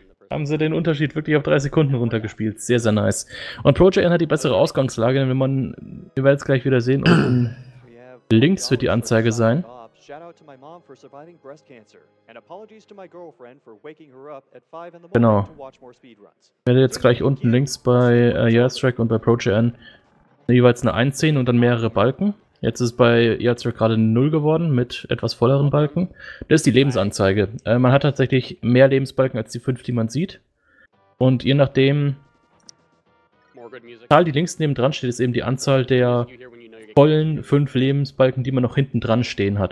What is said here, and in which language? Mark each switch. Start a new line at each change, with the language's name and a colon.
German: Haben sie den Unterschied wirklich auf 3 Sekunden runtergespielt. Sehr, sehr nice. Und Projan hat die bessere Ausgangslage, denn wenn man. Wir werden es gleich wieder sehen. Unten links wird die Anzeige sein.
English: Shout out to my mom for surviving breast cancer and apologies to my girlfriend for waking her up at 5 in the morning to watch more speedruns.
German: Genau. Wir werden jetzt gleich unten links bei Yaztrak und bei Projan jeweils eine 1 sehen und dann mehrere Balken. Jetzt ist bei Yaztrak gerade 0 geworden mit etwas volleren Balken. Das ist die Lebensanzeige. Man hat tatsächlich mehr Lebensbalken als die 5, die man sieht. Und je nachdem, die Zahl, die links neben dran steht, ist eben die Anzahl der vollen 5 Lebensbalken, die man noch hinten dran stehen hat.